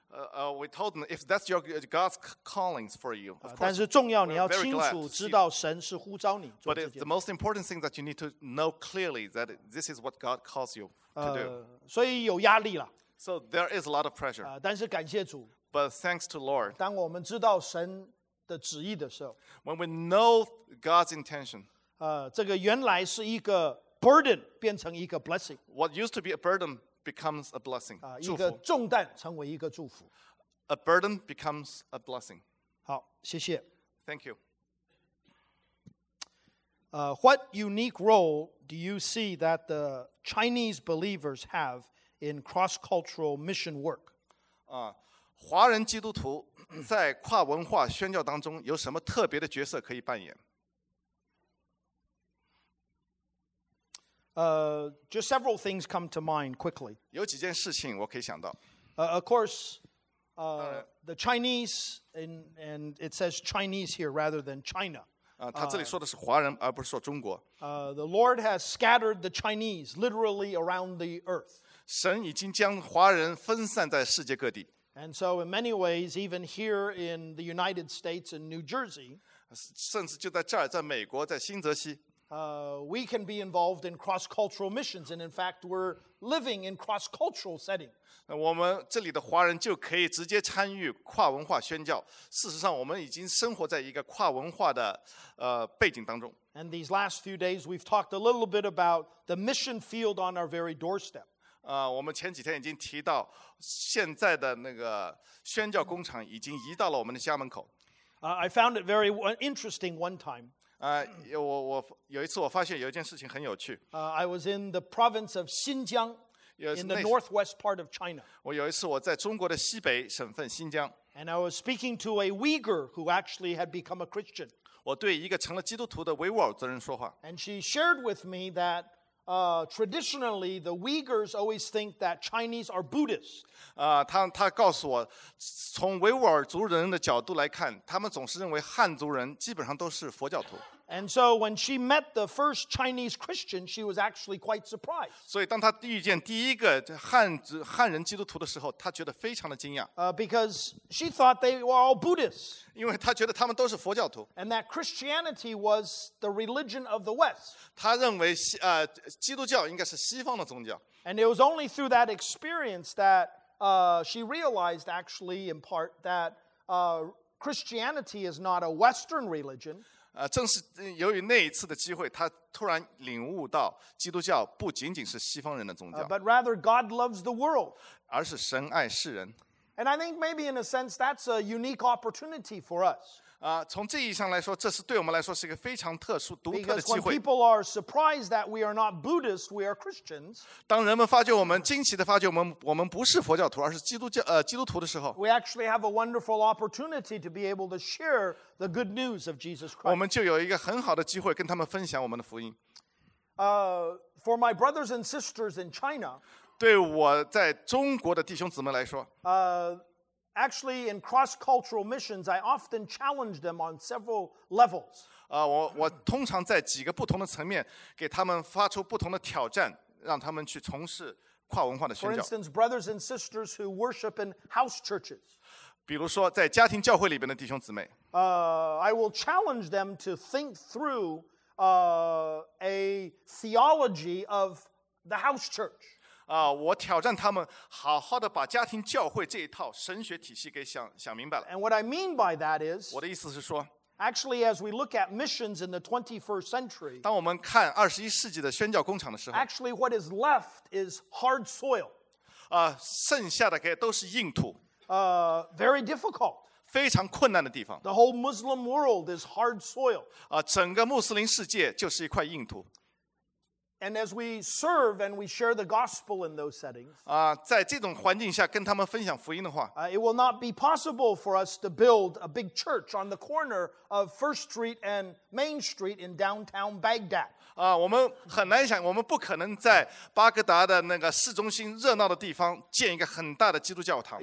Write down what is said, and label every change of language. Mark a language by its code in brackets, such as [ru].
[en] We told them if that's your God's callings for you. Of course, [zh] 但是重要，你要清楚知道神是呼召你做这件事。 [en] But the most important thing that you need to know clearly that this is what God calls you to do. [zh] 所以有压力了。 [en] So there is a lot of pressure. [zh] 但是感谢主。 [en] But thanks to Lord. [zh] 当我们知道神。的旨意的时候 [en] When we know God's intention, [zh] 这个原来是一个 burden 变成一个 blessing. [en] What used to be a burden becomes a blessing. [zh] 一个重担成为一个祝福 [en] A burden becomes a blessing. [zh] 好，谢谢。 [en] Thank you. What unique role do you see that the Chinese believers have in cross-cultural mission work? [zh] 华人基督徒在跨文化宣教当中有什么特别的角色可以扮演？ [en] Just several things come to mind quickly. [zh] 有几件事情我可以想到。 [en] Of course, the Chinese and it says Chinese here rather than China. [zh] 他这里说的是华人，而不是说中国。 [en] The Lord has scattered the Chinese literally around the earth. [zh] 神已经将华人分散在世界各地。 [en] And so, in many ways, even here in the United States in New Jersey, [zh] 甚至就在这儿，在美国，在新泽西 [en] we can be involved in cross-cultural missions, and in fact, we're living in cross-cultural setting. [zh] 那我们这里的华人就可以直接参与跨文化宣教。事实上，我们已经生活在一个跨文化的背景当中。 [en] And these last few days, we've talked a little bit about the mission field on our very doorstep. [zh] 我们前几天已经提到。现在的那个宣教工厂已经移到了我们的家门口。 [en] I found it very interesting one time. [zh] 我有一次我发现有一件事情很有趣。 [en] I was in the province of Xinjiang in the northwest part of China. [zh] 我有一次我在中国的西北省份新疆。 [en] And I was speaking to a Uyghur who actually had become a Christian. [zh] 我对一个成了基督徒的维吾尔族人说话。 [en] And she shared with me that traditionally, the Uyghurs always think that Chinese are Buddhists. [zh] 他告诉我，从维吾尔族人的角度来看，他们总是认为汉族人基本上都是佛教徒。 [en] And so, when she met the first Chinese Christian, she was actually quite surprised. [zh] 所以，当她遇见第一个汉人基督徒的时候，她觉得非常的惊讶。 [en] Because she thought they were all Buddhists. [zh] 因为她觉得他们都是佛教徒。 [en] And that Christianity was the religion of the West. [zh] 她认为基督教应该是西方的宗教。 [en] And it was only through that experience that she realized, actually, in part, that Christianity is not a Western religion. [zh] 正是由于那一次的机会，他突然领悟到基督教不仅仅是西方人的宗教 [en] ，but rather God loves the world， [zh] 而是神爱世人。 [en] And I think maybe in a sense that's a unique opportunity for us。 [zh] 从这意义上来说，这是对我们来说是一个非常特殊、独特的机会。 [en] Because when people are surprised that we are not Buddhists, we are Christians。 [zh] 当人们发觉我们惊奇的发觉我们不是佛教徒，而是基督徒的时候 [en] ，we actually have a wonderful opportunity to be able to share the good news of Jesus Christ。 [zh] 我们就有一个很好的机会跟他们分享我们的福音。 [en] For my brothers and sisters in China， [zh] 对我在中国的弟兄姊妹来说。 [en] Actually, in cross-cultural missions, I often challenge them on several levels. [zh] 我通常在几个不同的层面给他们发出不同的挑战，让他们去从事跨文化的宣教。 [en] For instance, brothers and sisters who worship in house churches. [zh] 比如说在家庭教会里边的弟兄姊妹。 [en] I will challenge them to think through a theology of the house church. [zh] 我挑战他们好好的把家庭教会这一套神学体系给想明白了。 [en] And what I mean by that is, [zh] 我的意思是说 [en] ，actually, as we look at missions in the 21st century, [zh] 当我们看二十一世纪的宣教工厂的时候 [en] ，actually, what is left is hard soil. [zh] 剩下的都是硬土。 [en] Very difficult. [zh] 非常困难的地方。 [en] The whole Muslim world is hard soil. [zh] 啊，整个穆斯林世界就是一块硬土。 [en] And as we serve and we share the gospel in those settings, [zh] 啊，在这种环境下跟他们分享福音的话， [en] it will not be possible for us to build a big church on the corner of First Street and Main Street in downtown Baghdad. [zh] 啊，我们很难想，我们不可能在巴格达的那个市中心热闹的地方建一个很大的基督教堂。